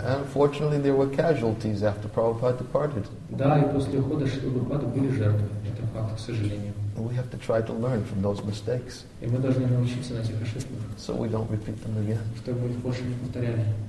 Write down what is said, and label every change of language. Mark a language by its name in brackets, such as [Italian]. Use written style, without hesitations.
[English] And unfortunately, there were casualties after Prabhupada departed. [Russian] Да, и после ухода Шрилы Прабхупады были жертвы. Это факт, к сожалению. [English] And we have to try to learn from those mistakes. [Russian] И мы должны научиться на этих ошибках. [English] So we don't repeat them again. [Russian] Чтобы мы их больше не повторяли.